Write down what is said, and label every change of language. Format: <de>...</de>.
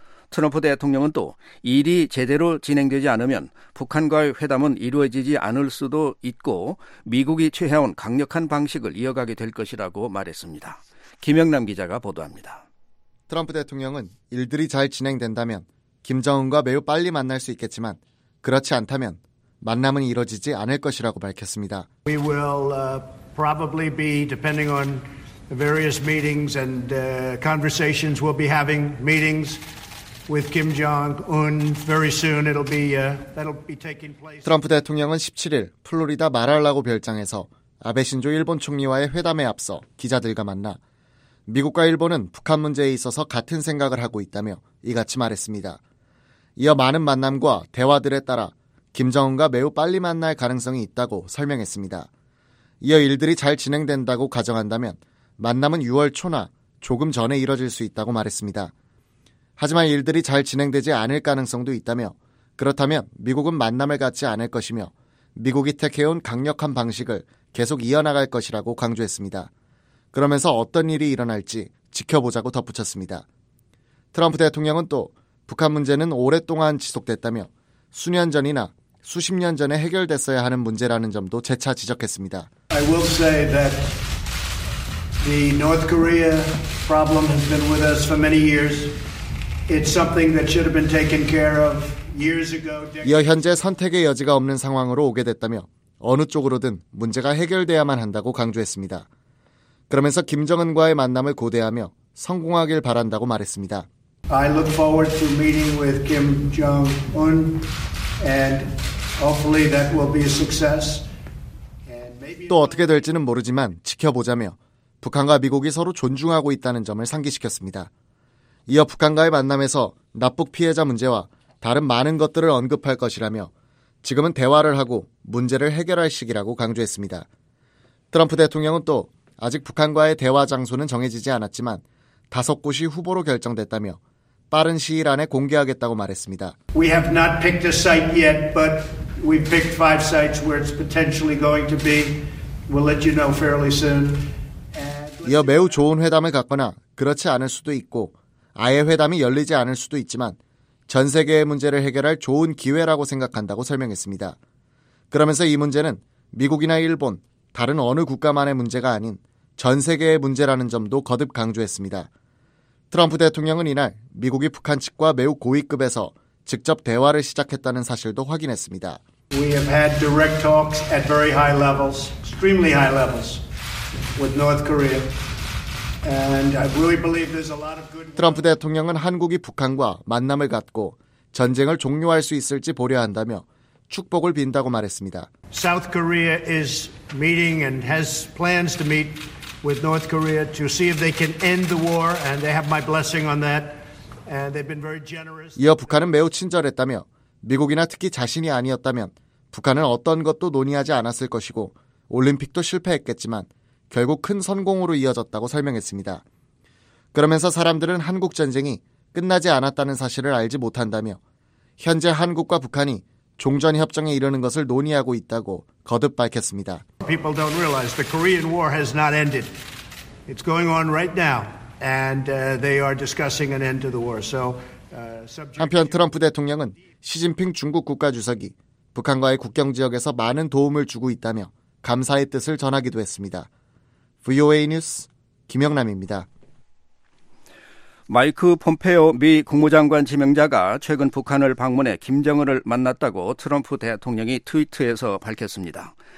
<ko>트럼프 대통령은 또 일이 제대로 진행되지 않으면 북한과의 회담은 이루어지지 않을 수도 있고 미국이 취해온 강력한 방식을 이어가게 될 것이라고 말했습니다. 김영남 기자가 보도합니다. 트럼프 대통령은 일들이 잘 진행된다면 김정은과 매우 빨리 만날 수 있겠지만 그렇지 않다면 만남은 이루어지지 않을 것이라고 밝혔습니다.</ko> <en>We will probably be depending on the various meetings and conversations we'll be having meetings. With Kim Jong-un, very soon it'll be, that'll be taking place.</en> <ko>트럼프 대통령은 17일 플로리다 마랄라고 별장에서 아베 신조 일본 총리와의 회담에 앞서 기자들과 만나 미국과 일본은 북한 문제에 있어서 같은 생각을 하고 있다며 이같이 말했습니다. 이어 많은 만남과 대화들에 따라 김정은과 매우 빨리 만날 가능성이 있다고 설명했습니다. 이어 일들이 잘 진행된다고 가정한다면 만남은 6월 초나 조금 전에 이뤄질 수 있다고 말했습니다. 하지만 일들이 잘 진행되지 않을 가능성도 있다며 그렇다면 미국은 만남을 갖지 않을 것이며 미국이 택해온 강력한 방식을 계속 이어나갈 것이라고 강조했습니다. 그러면서 어떤 일이 일어날지 지켜보자고 덧붙였습니다. 트럼프 대통령은 또 북한 문제는 오랫동안 지속됐다며 수년 전이나 수십 년 전에 해결됐어야 하는 문제라는 점도 재차 지적했습니다.</ko> <en>I will say that the North Korea problem has been with us for many years. It's something that should have been taken care of years ago.</en> <ko>이어 현재 선택의 여지가 없는 상황으로 오게 됐다며 어느 쪽으로든 문제가 해결돼야만 한다고 강조했습니다. 그러면서 김정은과의 만남을 고대하며 성공하길 바란다고 말했습니다.</ko> <en>I look forward to meeting with Kim Jong-un and hopefully that will be a success.</en> <ko>또 어떻게 될지는 모르지만 지켜보자며 북한과 미국이 서로 존중하고 있다는 점을 상기시켰습니다. 이어 북한과의 만남에서 납북 피해자 문제와 다른 많은 것들을 언급할 것이라며 지금은 대화를 하고 문제를 해결할 시기라고 강조했습니다. 트럼프 대통령은 또 아직 북한과의 대화 장소는 정해지지 않았지만 다섯 곳이 후보로 결정됐다며 빠른 시일 안에 공개하겠다고 말했습니다.</ko> <en>We have not picked a site yet, but we've picked five sites where it's potentially going to be. We'll let you know fairly soon.</en> <ko>이어 매우 좋은 회담을 갖거나 그렇지 않을 수도 있고 아예 회담이 열리지 않을 수도 있지만 전 세계의 문제를 해결할 좋은 기회라고 생각한다고 설명했습니다. 그러면서 이 문제는 미국이나 일본, 다른 어느 국가만의 문제가 아닌 전 세계의 문제라는 점도 거듭 강조했습니다. 트럼프 대통령은 이날 미국이 북한 측과 매우 고위급에서 직접 대화를 시작했다는 사실도 확인했습니다.</ko> <en>We have had direct talks at very high levels, extremely high levels with North Korea. And I really believe there's a lot of good</en> <ko>트럼프 대통령은 한국이 북한과 만남을 갖고 전쟁을 종료할 수 있을지 보려한다며 축복을 빈다고 말했습니다.</ko> <en>South Korea is meeting and has plans to meet with North Korea to see if they can end the war and they have my blessing on that. And they've been very generous.</en> <ko>이어 북한은 매우 친절했다며 미국이나 특히 자신이 아니었다면 북한은 어떤 것도 논의하지 않았을 것이고 올림픽도 실패했겠지만 결국 큰 성공으로 이어졌다고 설명했습니다. 그러면서 사람들은 한국 전쟁이 끝나지 않았다는 사실을 알지 못한다며 현재 한국과 북한이 종전 협정에 이르는 것을 논의하고 있다고 거듭 밝혔습니다.</ko> <en>People don't realize the Korean War has not ended. It's going on right now and they are discussing an end to the war. So</en> <ko>한편 트럼프 대통령은 시진핑 중국 국가주석이 북한과의 국경 지역에서 많은 도움을 주고 있다며 감사의 뜻을 전하기도 했습니다. VOA 뉴스 김영남입니다. 마이크 폼페오 미 국무장관 지명자가 최근 북한을 방문해 김정은을 만났다고 트럼프 대통령이 트위터에서 밝혔습니다.</ko>